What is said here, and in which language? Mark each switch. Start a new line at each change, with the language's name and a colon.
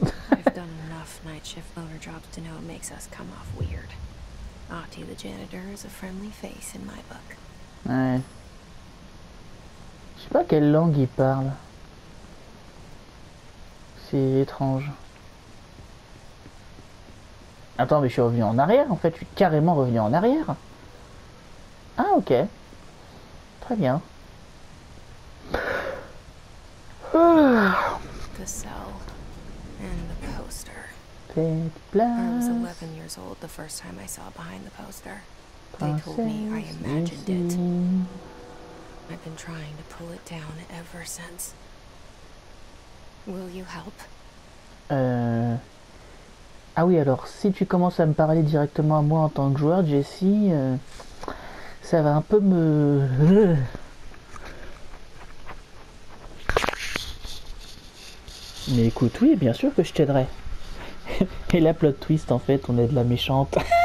English: I've done enough night shift loader jobs to know it makes us come off weird. Ati the janitor is a friendly face in my book.
French: Ouais. Je sais pas quelle langue il parle. C'est étrange. Attends, mais je suis revenu en arrière, en fait. Je suis carrément revenu en arrière. Ah, ok. Très bien.
English: The cell and the poster.
French: Faites place.
English: I was 11 years old the first time I saw behind the poster. They told me I imagined it. I've been trying to pull it down ever since. Will you help?
French: Ah oui, alors si tu commences à me parler directement à moi en tant que joueur, Jesse, ça va un peu me. Mais écoute, oui, bien sûr que je t'aiderai. Et la plot twist, en fait, on est de la méchante.